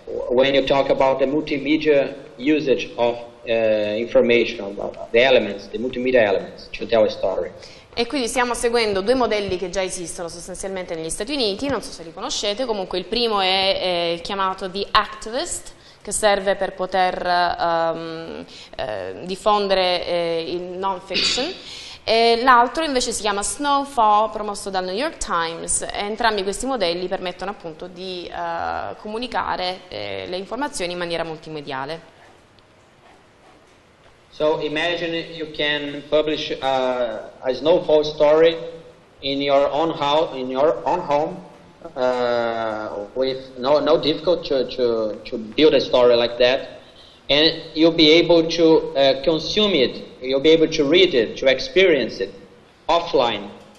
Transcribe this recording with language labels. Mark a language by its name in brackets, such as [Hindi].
[English] When you talk about the multimedia usage of information, the elements, the multimedia elements to tell a story. [Italian] E quindi stiamo seguendo 2 modelli che già esistono sostanzialmente negli Stati Uniti, non so se li conoscete, comunque il primo è chiamato The Activist, che serve per poter diffondere il non-fiction, e l'altro invece si chiama Snowfall, promosso dal New York Times. Entrambi questi modelli permettono appunto di comunicare le informazioni in maniera multimediale. [English] So imagine you can publish a snowfall story in your own house, in your own home, with no difficulty to build a story like that. And you'll be able to consume it, you'll be able to read it, to experience it. offline.